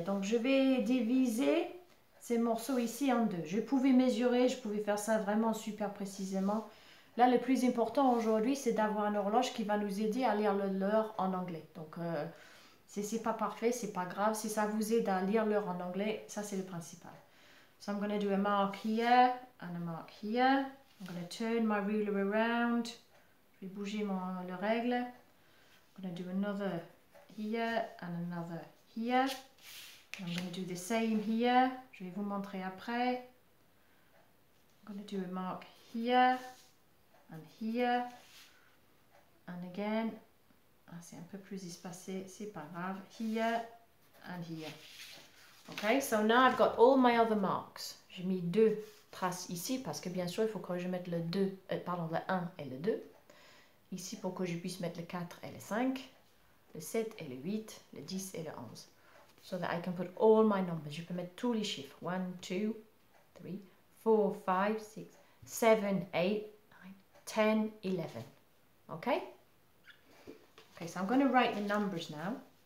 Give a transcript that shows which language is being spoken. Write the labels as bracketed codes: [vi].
[fr] Donc, je vais diviser ces morceaux ici en deux. Je pouvais mesurer, je pouvais faire ça vraiment super précisément. Là, le plus important aujourd'hui, c'est d'avoir une horloge qui va nous aider à lire l'heure en anglais. Donc, si ce n'est pas parfait, ce n'est pas grave. Si ça vous aide à lire l'heure en anglais, ça, c'est le principal. [en] So, I'm going to do a mark here and a mark here. I'm going to turn my ruler around. [fr] Je vais bouger la règle. [en] I'm going to do another here and another here. I'm going to do the same here. [fr] Je vais vous montrer après. [en] I'm going to do a mark here and here. And again. [fr] Ah, c'est un peu plus espacé. C'est pas grave. [en] Here and here. Okay, so now I've got all my other marks. [fr] J'ai mis deux traces ici parce que bien sûr, il faut que je mette le 1 et le 2. Ici pour que je puisse mettre le 4 et le 5. Le 7 et le 8, le 10 et le 11. [en] So that I can put all my numbers. [fr] Je peux mettre tous les chiffres. [en] 1, 2, 3, 4, 5, 6, 7, 8, 9, 10, 11. Okay? Okay, so I'm going to write the numbers now.